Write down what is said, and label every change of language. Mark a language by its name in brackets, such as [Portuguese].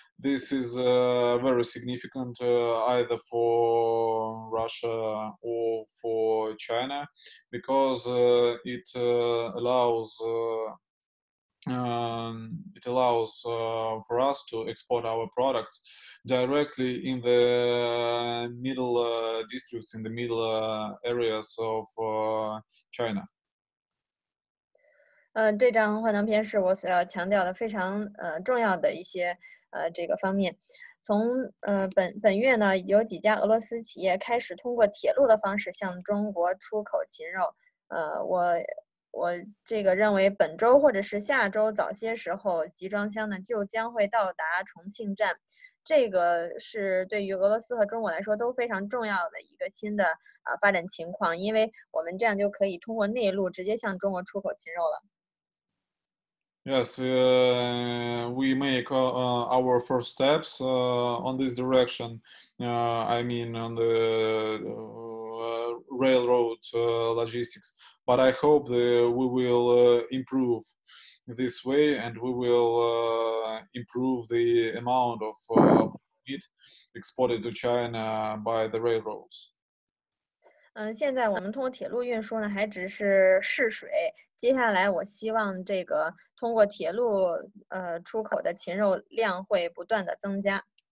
[English] This is very significant either for Russia or for China, because it allows... it allows for us to export our products directly in the middle districts, in the middle areas of China. [Chinese] 这张幻灯片是我所要强调的非常重要的一些这个方面。从本月呢，有几家俄罗斯企业开始通过铁路的方式向中国出口禽肉。我这个认为本周或者是下周早些时候，集装箱呢就将会到达重庆站。这个是对于俄罗斯和中国来说都非常重要的一个新的发展情况，因为我们这样就可以通过内陆直接向中国出口禽肉了。 [English] Yes, we make our first steps on this direction. I mean, on the railroad logistics. But I hope that we will improve this way, and we will improve the amount of meat exported to China by the railroads. [Chinese] 现在我们通过铁路运输呢，还只是试水。接下来，我希望这个通过铁路出口的禽肉量会不断的增加。